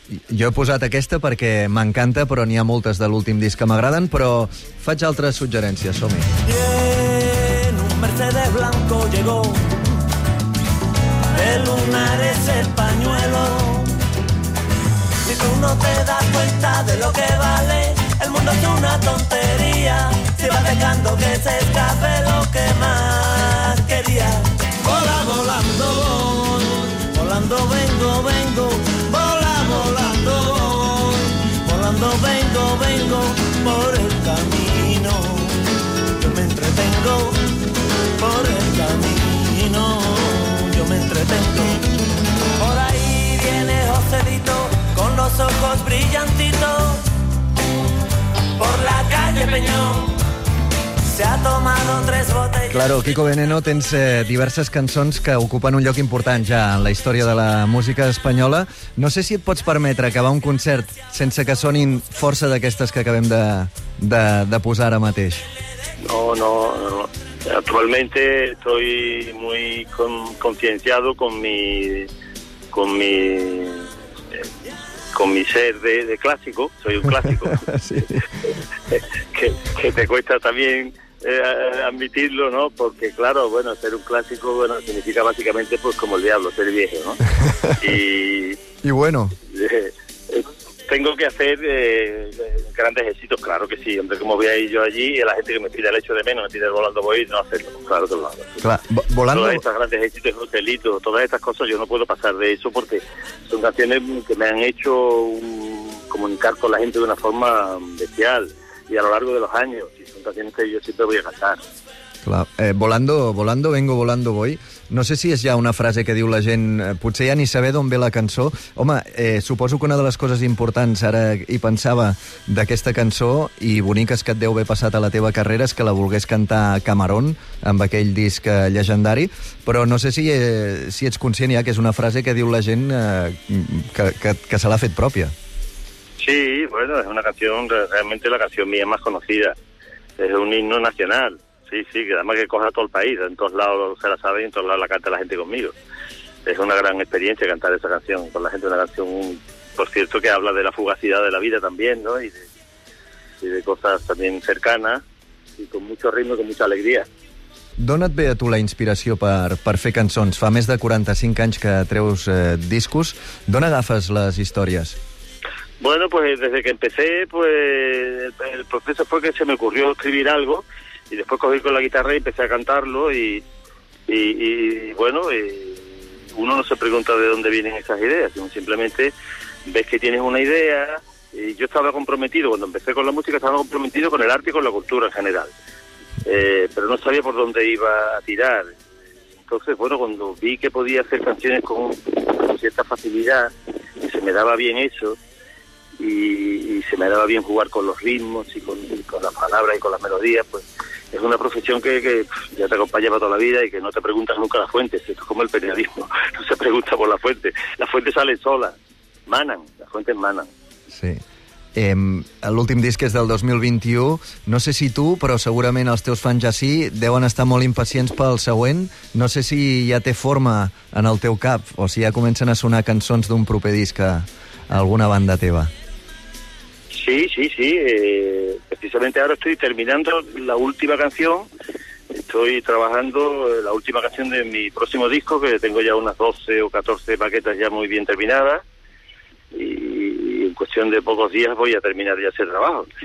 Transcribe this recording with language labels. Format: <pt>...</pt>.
<ca>Jo he posat aquesta perquè m'encanta, però n'hi ha moltes de l'últim disc que m'agraden, però faig altres suggerències, som-hi.</ca> <es>Bien, un Mercedes blanco llegó. El lunar es el pañuelo. Si tú no te das cuenta de lo que vale, el mundo es una tontería. Si vas dejando que se escape lo que más quería. Vola volando voy, volando vengo, vengo. Vola volando voy, volando vengo, vengo. Por el camino yo me entretengo. Por el camino yo me entretengo. Por ahí viene Josedito con los ojos brillantitos, por la calle Peñón se ha tomado tres botellas.</es> <ca>Claro, Kiko Veneno, tens diverses cançons que ocupen un lloc important ja en la història de la música espanyola. No sé si et pots permetre acabar un concert sense que sonin força d'aquestes que acabem de posar ara mateix.</ca> <es>No. Actualmente estoy muy concienciado con mi ser de clásico, soy un clásico, que te cuesta también admitirlo, ¿no? Porque claro, bueno, ser un clásico, bueno, significa básicamente pues como el diablo, ser viejo, ¿no? Y bueno. Tengo que hacer grandes éxitos, claro que sí. Hombre, como voy a ir yo allí, y la gente que me pide el hecho de menos, me pide volando voy, no hacerlo, claro que lo hago. Volando. Todas estas grandes éxitos, Joselito, todas estas cosas, yo no puedo pasar de eso porque son canciones que me han hecho comunicar con la gente de una forma bestial y a lo largo de los años, y son canciones que yo siempre voy a cantar. Clar, volando vengo, volando voy.</es> <ca>No sé si és ja una frase que diu la gent, potser ja ni saber d'on ve la cançó. Home, suposo que una de les coses importants, ara hi pensava, d'aquesta cançó, i boniques que et deu haver passat a la teva carrera, és que la volgués cantar Camarón, amb aquell disc llegendari, però no sé si ets conscient ja que és una frase que diu la gent que se l'ha fet pròpia.</ca> <es>Sí, bueno,</es> <ca>és una canció,</ca> <es>realmente la canció mía más conocida. És un himno nacional. Sí, que además que coja todo el país, en todos lados se la sabe y en todos lados la canta la gente conmigo. Es una gran experiencia cantar esa canción con la gente, una canción, por cierto, que habla de la fugacidad de la vida también, ¿no? Y de cosas también cercanas y con mucho ritmo y con mucha alegría.</es> <ca>D'on et ve a tu la inspiració per fer cançons? Fa més de 45 anys que treus discos. D'on agafes les històries?</ca> <es>Bueno, pues desde que empecé, pues el proceso fue que se me ocurrió escribir algo. Y después cogí con la guitarra y empecé a cantarlo y uno no se pregunta de dónde vienen esas ideas, sino simplemente ves que tienes una idea. Y yo estaba comprometido, cuando empecé con la música, estaba comprometido con el arte y con la cultura en general. Pero no sabía por dónde iba a tirar. Entonces, bueno, cuando vi que podía hacer canciones con cierta facilidad, y se me daba bien eso, y se me daba bien jugar con los ritmos y con las palabras y con las melodías, pues es una profesión que ya te acompaña para toda la vida y que no te preguntas nunca las fuentes. Esto es como el periodismo, no se pregunta por las fuentes, las fuentes salen solas, manan, las fuentes manan. Sí.</es> <ca>L'últim disc és del 2021, no sé si tu, però segurament els teus fans ja sí, deuen estar molt impacients pel següent. No sé si ja té forma en el teu cap o si ja comencen a sonar cançons d'un proper disc a alguna banda teva.</ca> <es>Sí. Precisamente ahora estoy terminando la última canción. Estoy trabajando la última canción de mi próximo disco, que tengo ya unas 12 o 14 maquetas ya muy bien terminadas. Y en cuestión de pocos días voy a terminar ya ese trabajo.</es>